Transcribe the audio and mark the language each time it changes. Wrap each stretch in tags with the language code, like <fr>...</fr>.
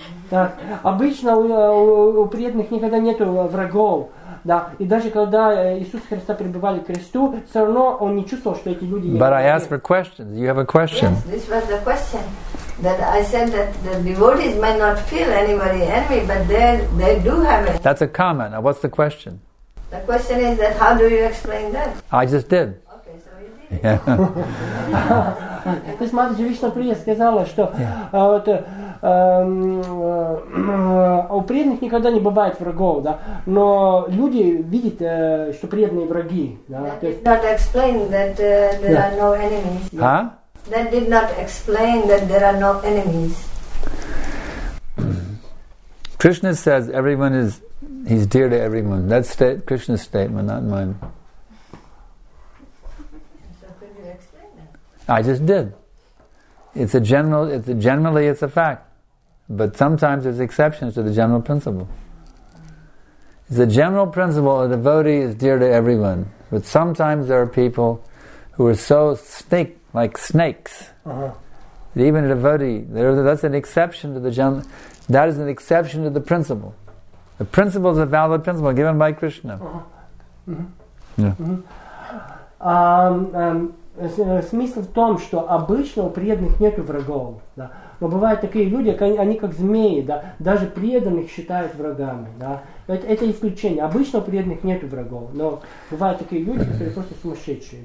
<ru>Так, обычно у преданных никогда нету врагов. Да, и даже когда Иисус Христа прибывали к кресту, все равно он не чувствовал, что эти люди...</ru> <en>But I asked for questions. You have a question. Yes, this was the question. That I said that the devotees might not feel anybody enemy, but they do have it. That's a comment. Now, what's the question? The question is that how do you explain that? I just did. Okay, so you did. Yeah.</en> <ru>То есть Матаджи Вишна Прия сказала, что вот, у преданных никогда не бывает врагов, да? Но люди видят, что преданные враги. Да?</ru> <en>That did not explain that there are no enemies. Huh? That did not explain that there are no enemies. Krishna says everyone is, he's dear to everyone. That's Krishna's statement, not mine. I just did. It's a general, it's a, generally it's a fact. But sometimes there's exceptions to the general principle. It's a general principle a devotee is dear to everyone. But sometimes there are people who are so snake, like snakes. Uh-huh. That even a devotee, that's an exception to the general, that is an exception to the principle. The principle is a valid principle given by Krishna. Uh-huh. Mm-hmm. Yeah. Mm-hmm.</en> <ru>Смысл в том, что обычно у преданных нет врагов. Да? Но бывают такие люди, они как змеи, да? Даже преданных считают врагами. Да? Это исключение. Обычно у преданных нет врагов. Но бывают такие люди, которые просто сумасшедшие.</ru>